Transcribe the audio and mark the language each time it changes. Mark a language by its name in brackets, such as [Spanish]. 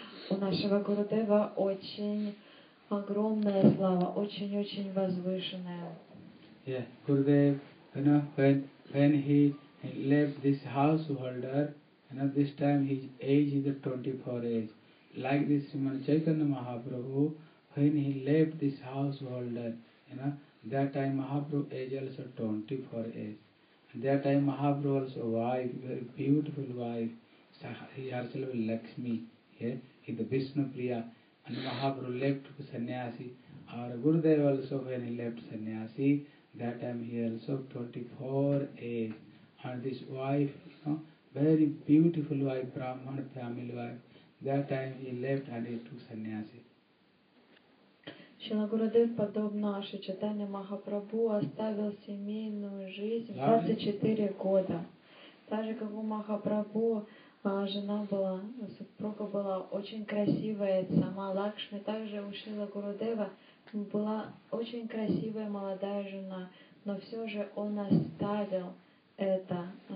[Russian] У нашего Гурудева очень огромная слава, очень-очень возвышенная. [English] Yeah, Gurudev, you know, when he left this householder, you know, this time his age is 24 age. Like this Sriman Chaitanya Mahaprabhu, when he left this householder, you know, that time Mahaprabhu age also 24 age. That time Mahaprabhu also wife, very beautiful wife, herself Lakshmi, yeah, he the Vishnu Priya, and Mahaprabhu left to Sannyasi, our Gurudev also when he left Sannyasi, that time he also 24 age, and this wife, you know, very beautiful wife, Brahman family wife, that time he left and he took Sannyasi. [Russian] Шрила Гурудев, подобно Шри Чайтанья Махапрабху, оставил семейную жизнь в 24 года. Так же, как у Махапрабху, жена была, супруга была очень красивая, сама Лакшми. Также у Шрила Гурудева была очень красивая молодая жена, но все же он оставил это.